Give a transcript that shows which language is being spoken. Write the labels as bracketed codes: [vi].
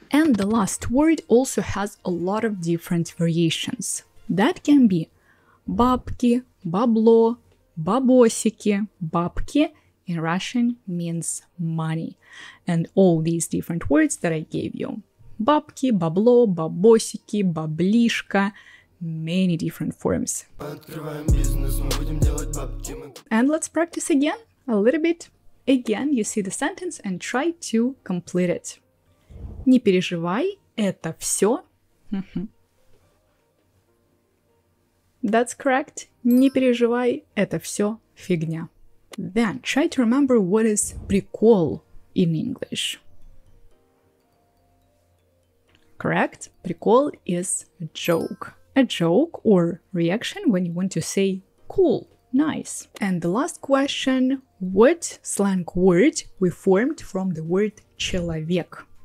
[en] And the last word also has a lot of different variations. That can be бабки, бабло, бабосики, бабки. In Russian means money. And all these different words that I gave you. [ru] Бабки, бабло, бабосики, баблишка. [en] Many different forms. [ru] Открываем бизнес, мы будем делать бабки. [en] And let's practice again, a little bit. Again, you see the sentence and try to complete it. [ru] Не переживай, это все. [en] That's correct. [ru] Не переживай, это все фигня. [en] Then try to remember what is прикол in English. Correct? Прикол is a joke. A joke or reaction when you want to say cool, nice. And the last question, what slang word we formed from the word человек?